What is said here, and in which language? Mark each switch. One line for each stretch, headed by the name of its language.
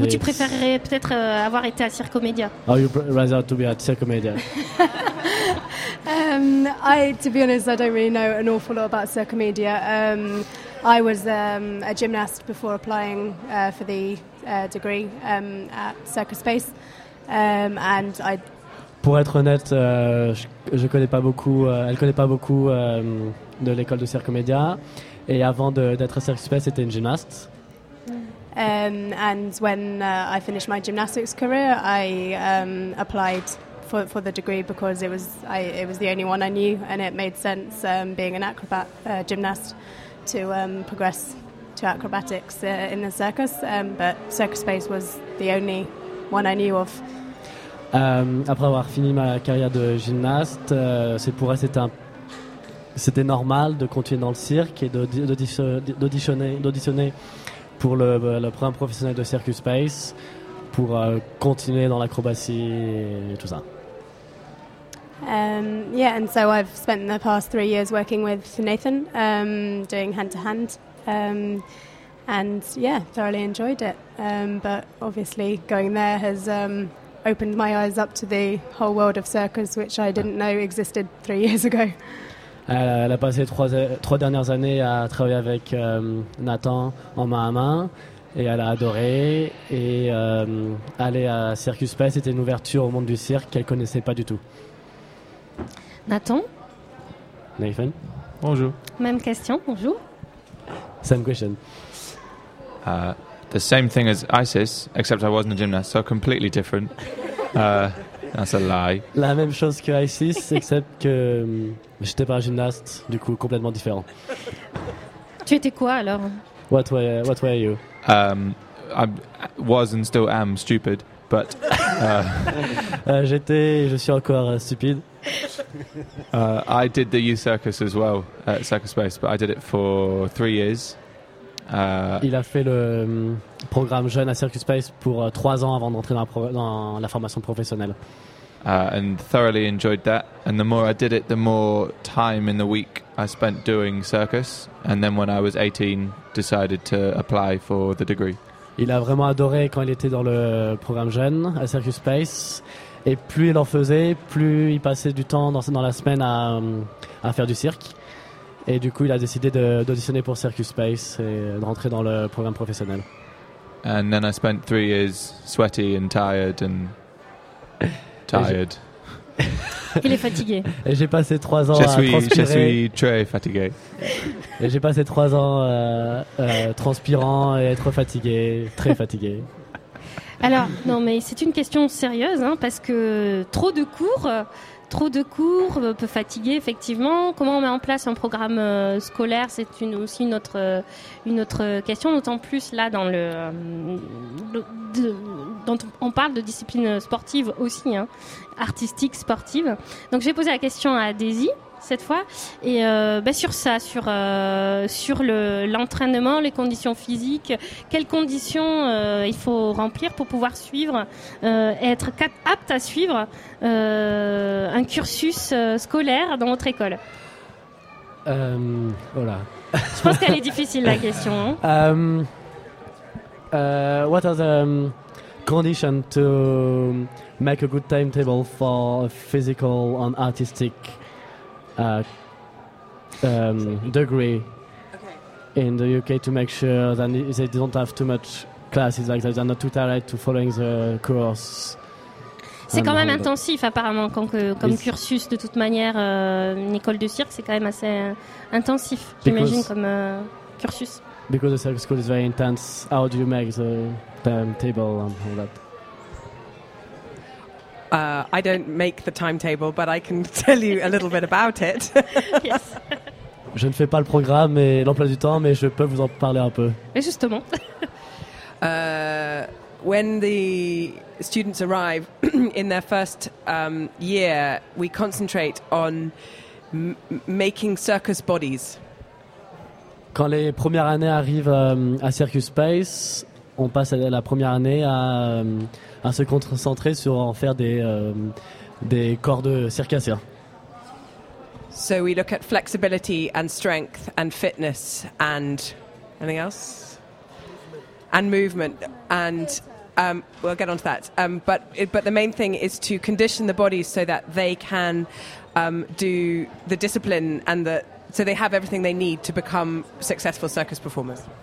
French: it. Ou tu préférerais peut-être avoir été à Circomédia?
English: Oh, you rather to be at Circomédia. To be honest, I don't really know an awful lot about Circomédia. I was a gymnast before applying for the degree at Circus Space, and I.
French: Pour être honnête, je connais pas beaucoup, elle connaît pas beaucoup de l'école de Circomédia. Et avant d'être à Circus Space, c'était une gymnaste.
English: And when I finished my gymnastics career, I applied for the degree because it was the only one I knew and it made sense being an acrobat gymnast to progress to acrobatics in the circus. But Circus Space was the only one I knew of.
French: Après avoir fini ma carrière de gymnaste, c'est pour elle c'était normal de continuer dans le cirque et d'auditionner pour le programme professionnel de Circus Space pour continuer dans l'acrobatie et tout ça.
English: Yeah, and so I've spent the past 3 years working with Nathan, doing hand to hand. And yeah, thoroughly enjoyed it. But obviously going there has opened my eyes up to the whole world of circus, which I didn't know existed 3 years ago.
French: Elle a passé trois dernières années à travailler avec Nathan en main à main, et elle a adoré. Et aller à Circus Space, c'était une ouverture au monde du cirque qu'elle connaissait pas du tout. Nathan. Nathan. Bonjour. Même question. Bonjour.
English: Same question. The same thing as Isis, except I wasn't a gymnast, so completely different. That's a lie.
French: La même chose que ISIS, except que j'étais pas un gymnaste, du coup complètement différent. Tu étais quoi alors?
English: What were you? I was and still am stupid, but
French: j'étais et je suis encore stupide.
English: I did the youth circus as well at Circus Space, but I did it for 3 years.
French: Il a fait le programme jeune à Circus Space pour 3 ans avant d'entrer dans la formation professionnelle.
English: And thoroughly enjoyed that. And the more I did it, the more time in the week I spent doing circus. And then when I was 18, decided to apply for the degree.
French: Il a vraiment adoré quand il était dans le programme jeune à Circus Space. Et plus il en faisait, plus il passait du temps dans la semaine à faire du cirque. Et du coup, il a décidé d'auditionner pour Circus Space et de rentrer dans le programme professionnel.
English: And then I spent 3 years sweaty and tired and tired.
French: Il est fatigué. Et j'ai passé 3 ans à transpirer. Je suis très fatigué. Et j'ai passé 3 ans transpirant et être fatigué, très fatigué. Alors, non, mais c'est une question sérieuse, hein, parce que trop de cours, un peu fatigué, effectivement. Comment on met en place un programme scolaire? C'est aussi une autre question, d'autant plus là, dont on parle de discipline sportive aussi, hein, artistique, sportive. Donc, j'ai posé la question à Daisy, cette fois, et sur l'entraînement, les conditions physiques, quelles conditions il faut remplir pour pouvoir suivre et être apte à suivre un cursus scolaire dans votre école. Voilà. Je pense qu'elle est difficile la question.
English: What are the conditions to make a good timetable for physical and artistic degree in the UK to make sure that they don't have too much classes, like that they're not too tired to following the course.
French: C'est quand même intensif, apparemment, comme cursus. De toute manière, une école de cirque, c'est quand même assez intensif, j'imagine, comme cursus.
English: Because the circus school is very intense, how do you make the timetable and all that? I don't make the timetable, but I can tell you a little bit about it. Yes.
French: Je ne fais pas le programme et l'emploi du temps, mais je peux vous en parler un peu. Et justement.
English: When the students arrive in their first year, we concentrate on making circus bodies.
French: Quand les premières années arrivent à Circus Space, on passe la première année à se concentrer sur en faire des corps de circassiens.
English: So we look at flexibility and strength and fitness and anything else? And movement. And we'll get onto that. But the main thing is to condition the bodies so that they can do the discipline and so they have everything they need to become successful circus performers.